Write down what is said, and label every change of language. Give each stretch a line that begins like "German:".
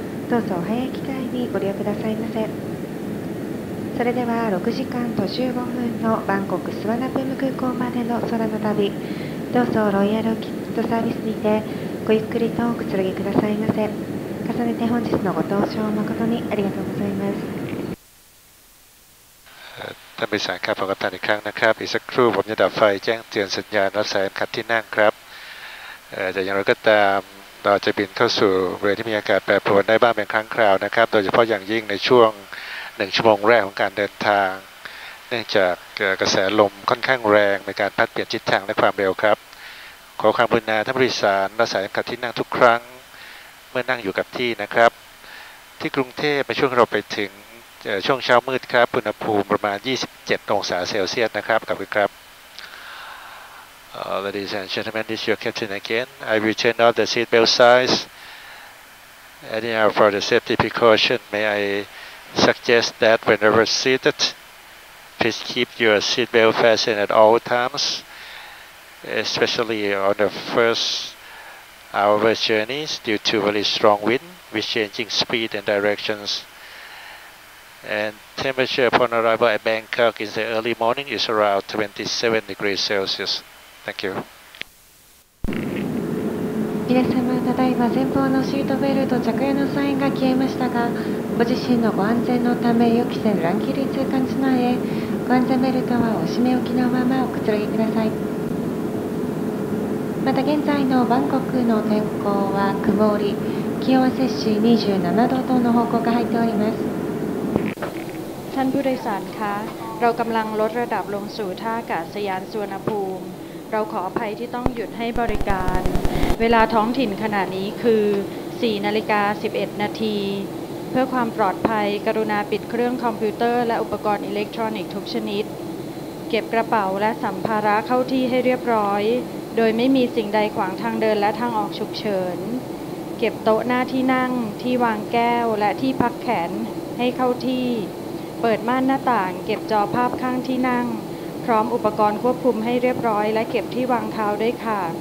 Japanese: どうぞお早い機会にご利用くださいませ。それでは6時間と15分のバンコクスワナプーム空港までの空の旅、どうぞロイヤルキッドサービスにてごゆっくりとくつろぎくださいませ。重ねて本日のご搭乗誠にありがとうございます。
Thai: ท่านผู้โดยสารครับขอกระทำอีกครั้งนะครับอีกสักครู่ผมจะดับไฟแจ้งเตือนสัญญาณรถแสนคันที่นั่งครับแต่อย่างไรก็ตามเราจะบินเข้าสู่บริเวณที่มีอากาศแปรปรวนได้บ้างเป็นครั้งคราวนะครับโดยเฉพาะอย่างยิ่งในช่วง1ชั่วโมงแรกของการเดินทางเนื่องจากกระแสลมค่อนข้างแรงในการพัดเปลี่ยนทิศทางและความเร็วครับขอความกรุณาท่านผู้โดยสารรักษาสัญญาณที่นั่งทุกครั้ง เมื่อนั่งอยู่กับที่นะครับที่กรุงเทพในช่วงเราไปถึงช่วงเช้ามืดครับอุณหภูมิประมาณ27องศาเซลเซียสนะครับขอบคุณครับ
English: Ladies and gentlemen, this is your captain again. I will turn off the seat belt signs. Anyhow, for the safety precaution, may I suggest that whenever seated, please keep your seat belt fastened at all times, especially on the first hour of journeys due to very strong wind with changing speed and directions. And temperature upon arrival at Bangkok in the early morning is around 27 degrees Celsius. Thank you.
Japanese: 皆様、ただいま前方のシートベルト着用のサインが消えましたが、ご自身のご安全のため予期せぬ乱気流通過に備え、ご安全ベルトはお締め置きのままおくつろぎください。また現在のバンコクの天候は曇り、気温は摂氏27度等の報告が入っております。
Thai: ท่านผู้โดยสารคะเรากำลังลดระดับลงสู่ท่าอากาศยานสุวรรณภูมิเราขออภัยที่ต้องหยุดให้บริการเวลาท้องถิ่นขณะนี้คือ4 นาฬิกา 11 นาที เพื่อความปลอดภัยกรุณาปิดเครื่องคอมพิวเตอร์และอุปกรณ์อิเล็กทรอนิกส์ทุกชนิดเก็บกระเป๋าและสัมภาระเข้าที่ให้เรียบร้อยโดยไม่มีสิ่งใดขวางทางเดินและทางออกฉุกเฉินเก็บโต๊ะหน้าที่นั่งที่วางแก้วและที่พักแขนให้เข้าที่เปิดม่านหน้าต่างเก็บจอภาพข้างที่นั่งพร้อมอุปกรณ์ควบคุมให้เรียบร้อยและเก็บที่วางเท้าด้วยค่ะ